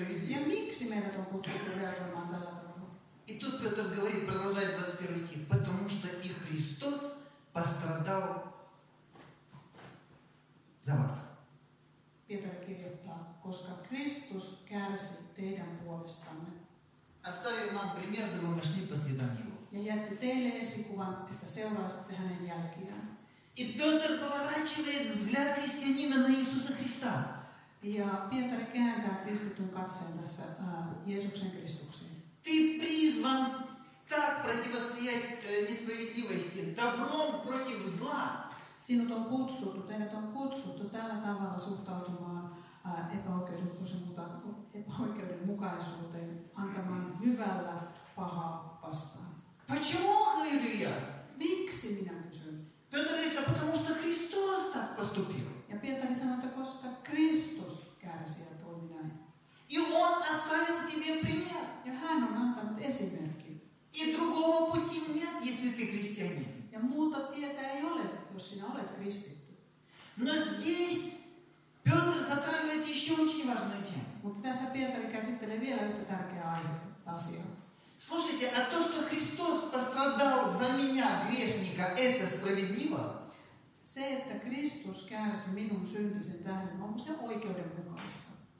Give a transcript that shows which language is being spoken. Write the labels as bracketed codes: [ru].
[fi] Ja miksi meidät on kutsuttu reagoimaan tällä tavalla? [ru] И тут Петр говорит, продолжает 21 стих, потому что и Христос пострадал за вас. [fi] Pietari kirjoittaa, koska Kristus kärsi teidän puolestanne. [ru] Оставил нам пример, дабы мы шли по следам Его. [fi] ja jätti teille esikuvan, että seuraisitte hänen jälkiään. [ru] И Петр поворачивает взгляд христианина на Иисуса Христа. [fi] Ja Pietari kääntää kristityn katseen tässä Jeesuksen Kristukseen. [ru] Ты призван так противостоять несправедливости, добром против зла. [fi] Sinut on kutsuttu, teidät on kutsuttu tällä tavalla suhtautumaan epäoikeudenmukaisuuteen, antamaan hyvällä pahaa vastaan. [ru] Почему, говорю я? [fi] Miksi minä kysyn? [ru] Петр говорит, потому что Христос так поступил. [fi] Ja Pietari sanoi, että koska Kristus kärsi ja toimi näin. [ru] И он оставил тебе пример. [fi] Ja hän on antanut esimerkin. [ru] И другого пути нет, если ты христианин. [fi] Ja muuta tietä ei ole, jos sinä olet kristitty. [ru] Но здесь Петр затрагивает еще очень важную тему. [fi] Mutta tässä Pietari käsittelee vielä yhtä tärkeää aihetta asiaa. [ru] Слушайте, а то, что Христос пострадал за меня, грешника, это справедливо? [fi] Se, että Kristus kärsi minun syntisen tähden, onko se oikeudenmukaista?